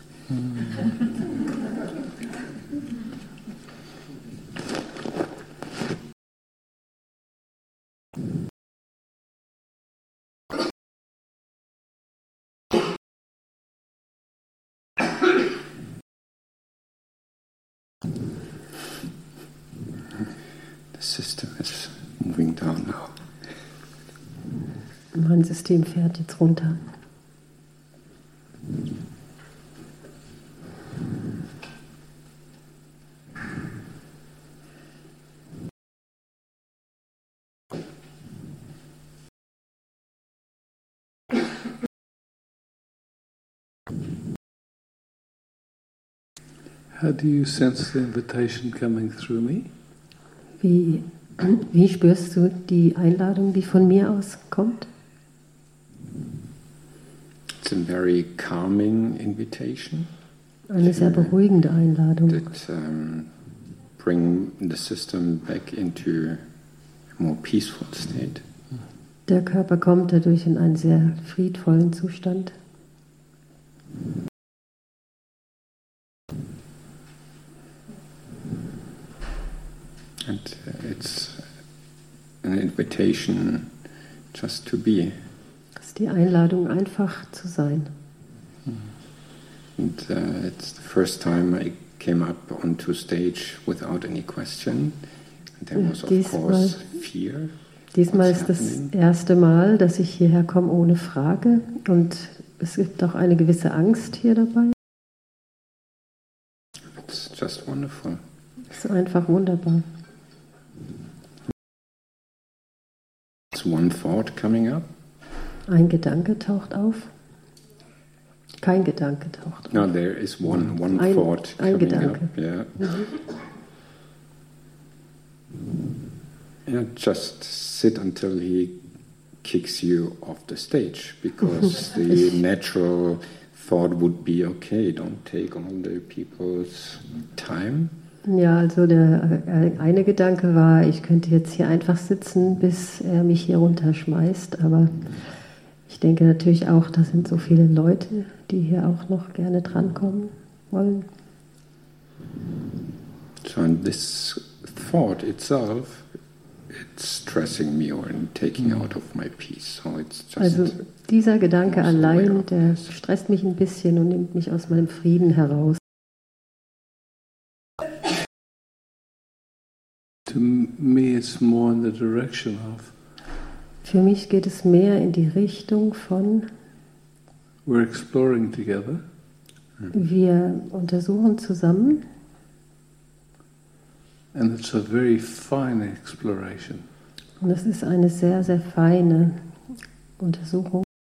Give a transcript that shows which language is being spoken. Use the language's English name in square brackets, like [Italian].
[English] The system is moving down now. [German] Mein System fährt jetzt runter. [English] Thank you. How do you sense the invitation coming through me? [German] Wie spürst du die Einladung, die von mir auskommt? [English] It's a very calming invitation. [German] Eine sehr beruhigende Einladung. [English] Bring the system back into a more peaceful state. [German] Der Körper kommt dadurch in einen sehr friedvollen Zustand. [English] And it's an invitation just to be. [German] Es ist die Einladung, einfach zu sein. [English] And it's the first time I came up onto stage without any question. And there was, of course, fear. [German] Diesmal ist das erste Mal, dass ich hierher komme ohne Frage. Und es gibt auch eine gewisse Angst hier dabei. [English] It's just wonderful. [German] Es ist einfach wunderbar. [English] It's one thought coming up. [German] Ein Gedanke taucht auf. Kein Gedanke taucht auf. [English] No, there is one [German] ein, [English] thought [German] ein [English] coming [German] Gedanke. [English] Up. Yeah. Mm-hmm. Yeah, just sit until he kicks you off the stage, because the natural thought would be okay, don't take all the people's time. [German] Ja, also der eine Gedanke war, ich könnte jetzt hier einfach sitzen, bis er mich hier runterschmeißt, aber ich denke natürlich auch, da sind so viele Leute, die hier auch noch gerne drankommen wollen. [English] So, and this thought itself, it's stressing me or taking out of my peace. So it's just [German] also dieser Gedanke allein, der stresst mich ein bisschen und nimmt mich aus meinem Frieden heraus. [English] To me it's more in the direction of. [German] Für mich geht es mehr in die Richtung von. [English] We're exploring together. [German] Wir untersuchen zusammen. [English] And it's a very fine exploration. [German] Und das ist eine sehr, sehr feine Untersuchung.